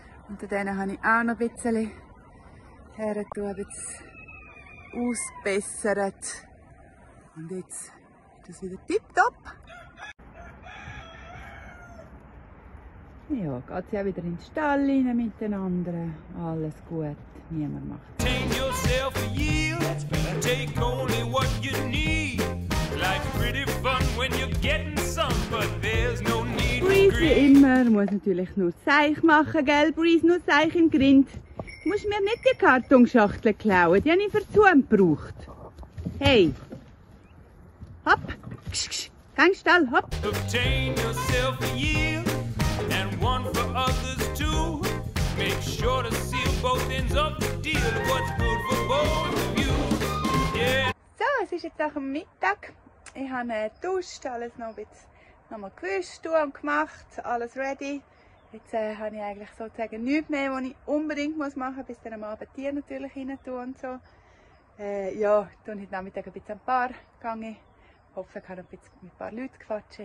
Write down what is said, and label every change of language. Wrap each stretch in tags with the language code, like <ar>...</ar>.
<de>Unter denen habe ich auch noch ein bisschen her und ausbessert. Und jetzt ist das wieder tipptopp. Ja, geht sie auch wieder in den Stall rein miteinander. Alles gut, niemand macht.</de> <en>Take yourself a yield, take only what you need. Life's pretty fun when you're getting some, but there's no need to greed.</en> <de>Breeze wie immer, muss natürlich nur Zeich machen, gell? Breeze, nur Zeich im Grind. Du musst mir nicht die Kartonschachtel klauen, die habe ich für zu gebraucht. Hey! Hopp! Ksch, ksch! Geh in den Stall, hopp!</de> <en>Obtain yourself a yield. And one for others too. Make sure to see both ends of the deal. What's good for both of you? Yeah.</en> <de>So, es ist jetzt auch Mittag. Ich habe geduscht, alles noch ein bisschen gewischt und gemacht, alles ready. Jetzt habe ich eigentlich sozusagen nichts mehr, was ich unbedingt machen muss, bis dann am Abend die Tiere natürlich rein tun und so. Ja, tun heute Nachmittag ein bisschen am Bar gegangen. Ich hoffe, ich kann noch ein bisschen mit ein paar Leuten quatschen.</de>